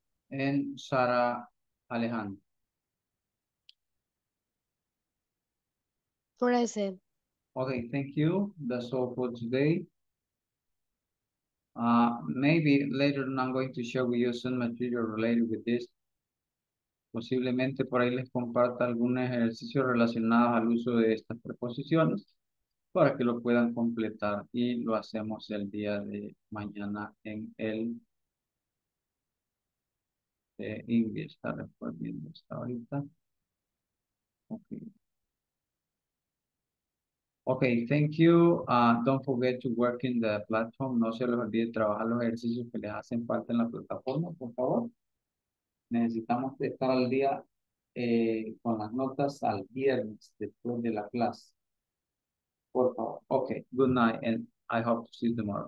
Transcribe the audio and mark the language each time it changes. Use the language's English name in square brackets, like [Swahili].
[English] And Sara Alejandro. Present. Okay, thank you. That's all for today. Maybe later on I'm going to share with you some material related with this. [Spanish] Posiblemente por ahí les comparta algún ejercicio relacionado al uso de estas preposiciones para que lo puedan completar y lo hacemos el día de mañana en el Ingles. Está respondiendo hasta ahorita. Okay. [English] Okay, thank you. Don't forget to work in the platform. [Spanish] No se les olvide trabajar los ejercicios que les hacen falta en la plataforma, por favor. Necesitamos estar al día con las notas al viernes después de la clase. Por favor. [English] Okay, good night, and I hope to see you tomorrow.